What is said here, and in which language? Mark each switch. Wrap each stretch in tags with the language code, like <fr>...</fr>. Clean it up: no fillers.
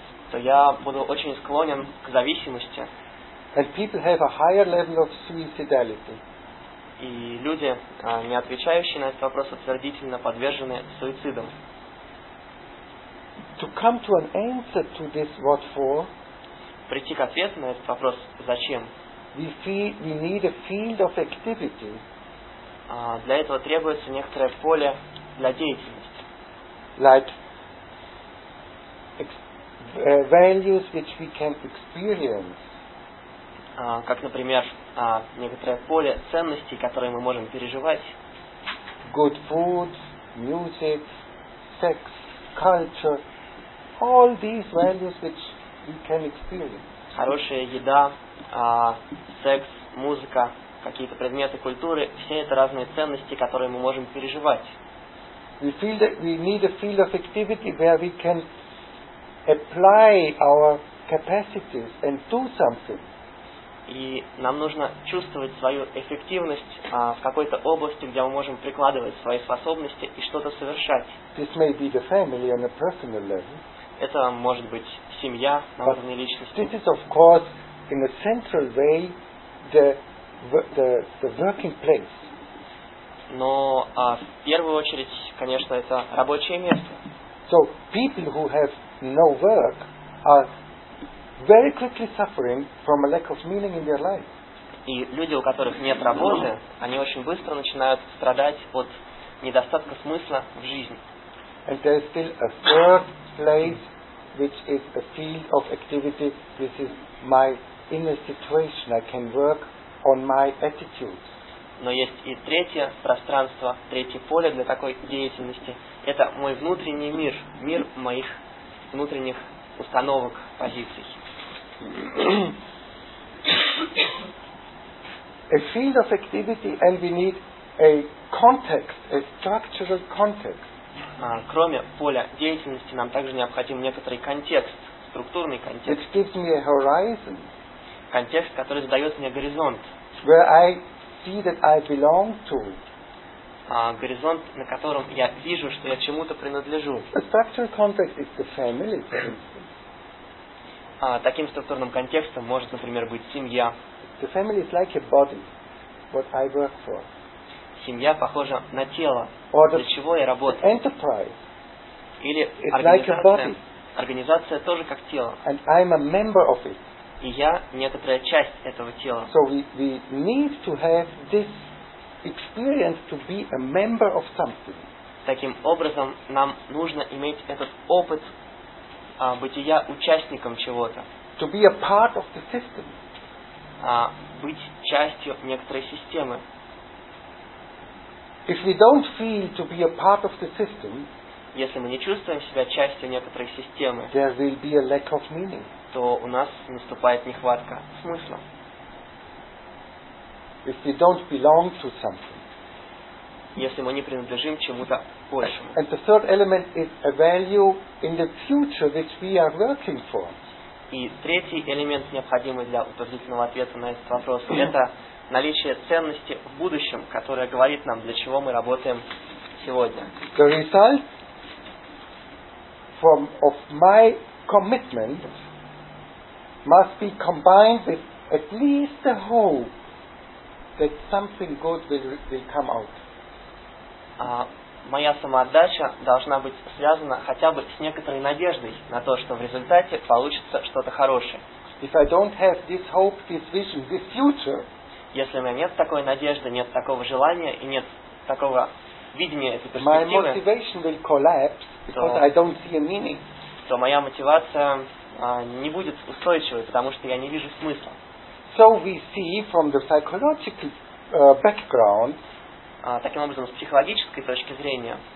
<ru>То я буду очень склонен к зависимости.</ru> <en>And people have a higher level of suicidality.</en> <ru>И люди, не отвечающие на этот вопрос утвердительно, подвержены суицидам.</ru> <en>To come to an answer to this what for,</en> <ru>прийти к ответу на этот вопрос зачем,</ru> <en>we need a field of activity.</en> <ru>Для этого требуется некоторое поле для деятельности.</ru> <en>Like values which we can experience.</en> <ru>Как, например, некоторое поле ценностей, которые мы можем переживать.</ru> <en>Good food, music, sex, culture. All these values which we can experience.</en> <ru>Хорошая еда, секс, музыка, какие-то предметы культуры. Все это разные ценности, которые мы можем переживать.</ru> <en>We feel that we need a field of activity where we can apply our capacities and do something.</en> <ru>И нам нужно чувствовать свою эффективность в какой-то области, где мы можем прикладывать свои способности и что-то совершать.</ru> <en>This may be the family on a personal level.</en> <ru>Это может быть семья на уровне личности.</ru> <en>This is, of course, in a central way, the working place.</en> <ru>Но в первую очередь, конечно, это рабочее место.</ru> <en>So people who have no work are very quickly suffering from a lack of meaning in their life.</en> <ru>И люди, у которых нет работы, они очень быстро начинают страдать от недостатка смысла в жизни.</ru> <en>And there is still a third place, which is a field of activity. This is my inner situation. I can work on my attitudes.</en> <ru>Но есть и третье пространство, третье поле для такой деятельности. Это мой внутренний мир, мир моих внутренних установок, позиций.</ru> <en>A field of activity, and we need a context, a structural context.</en> <ru>Кроме поля деятельности, нам также необходим некоторый контекст, структурный контекст.</ru> <en>It gives me a horizon.</en> <ru>Контекст, который задает мне горизонт.</ru> <en>Where I see that I belong to.</en> <ru>Горизонт, на котором я вижу, что я чему-то принадлежу.</ru> <en>A structural context is the family, for instance.</en> <ru>Таким структурным контекстом может, например, быть семья.</ru> <en>The family is like a body, what I work for.</en> <ru>Семья похожа на тело, для чего я работаю.</ru> <en>Enterprise.</en> <ru>Или организация. Организация тоже как тело.</ru> <en>And I'm a member of it.</en> <ru>И я некоторая часть этого тела.</ru> <en>So we need to have this experience to be a member of something.</en> <ru>Таким образом, нам нужно иметь этот опыт бытия участником чего-то.</ru> <en>To be a part of the system.</en> <ru>Быть частью некоторой системы.</ru> <en>If we don't feel to be a part of the system,</en> <ru>если мы не чувствуем себя частью некоторой системы,</ru> <en>there will be a lack of meaning.</en> <ru>То у нас наступает нехватка смысла.</ru> <en>If we don't belong to something,</en> <ru>если мы не принадлежим чему-то большему.</ru> <en>And the third element is a value in the future which we are working for.</en> <ru>И третий элемент, необходимый для утвердительного ответа на этот вопрос, это наличие ценности в будущем, которая говорит нам, для чего мы работаем сегодня.</ru> <en>The result of my commitment must be combined with at least the hope that something good will come out.</en> <ru>Моя самоотдача должна быть связана хотя бы с некоторой надеждой на то, что в результате получится что-то хорошее.</ru> <en>If I don't have this hope, this vision, this future,</en> <ru>если у меня нет такой надежды, нет такого желания и нет такого видения этой перспективы,</ru> <en>my motivation will collapse because I don't see a meaning.</en> <ru>То моя мотивация не будет устойчивой, потому что я не вижу смысла.</ru> <en>So we see from the psychological background,</en> <ru>таким образом, с психологической точки зрения,</ru>